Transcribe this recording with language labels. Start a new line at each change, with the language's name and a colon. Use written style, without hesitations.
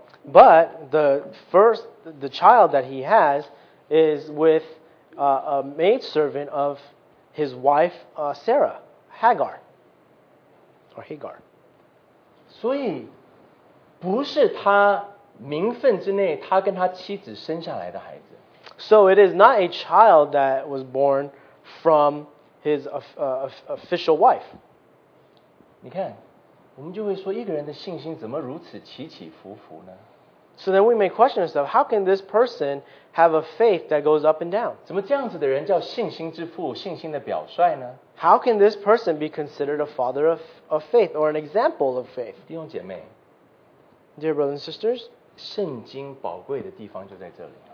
English: But the child that he has is with a maidservant of his wife, Sarah, Hagar, or Hagar.
Chinese: 所以不是他名分之内他跟他妻子生下来的孩子。
English: So it is not a child that was born from his official wife.
Chinese: 你看,我们就会说一个人的信心怎么如此起起伏伏呢?
English: So then we may question ourselves, how can this person have a faith that goes up and down?
Chinese: 怎么这样子的人叫信心之父,信心的表率呢?
English: How can this person be considered a father of faith or an example of faith?
Chinese: 弟兄姐妹,
English: Dear brothers and sisters,
Chinese: 圣经宝贵的地方就在这里。